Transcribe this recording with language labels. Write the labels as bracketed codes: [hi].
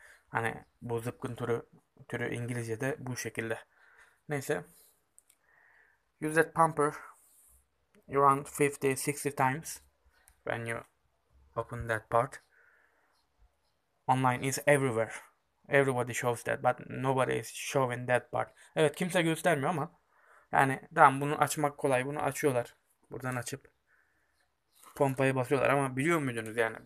[tr] Hani bu zıpkın türü İngilizce'de bu şekilde. Neyse. [en] Use that pumper around 50-60 times when you open that part. Online is everywhere. Everybody shows that but nobody is showing that part. [tr] Evet, kimse göstermiyor ama yani tamam, bunu açmak kolay. Bunu açıyorlar. Buradan açıp pompayı basıyorlar ama biliyor muydunuz yani?